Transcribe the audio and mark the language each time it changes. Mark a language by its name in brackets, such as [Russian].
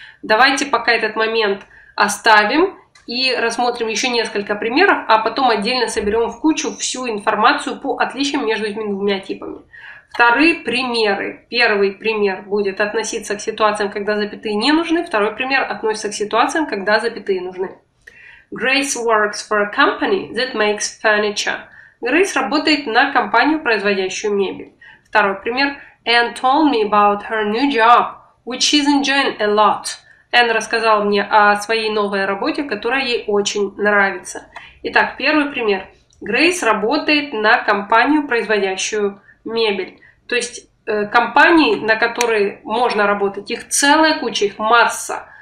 [Russian] Давайте пока этот момент оставим и рассмотрим еще несколько примеров, а потом отдельно соберем в кучу всю информацию по отличиям между этими двумя типами. Вторые примеры. Первый пример будет относиться к ситуациям, когда запятые не нужны. Второй пример относится к ситуациям, когда запятые нужны. [English] Grace works for a company that makes furniture. [Russian] Grace работает на компанию, производящую мебель. Второй пример. [English] Anne told me about her new job, which she's enjoying a lot. [Russian] Anne рассказала мне о своей новой работе, которая ей очень нравится. Итак, первый пример. Grace работает на компанию, производящую мебель. То есть компании, на которые можно работать, их целая куча, их масса.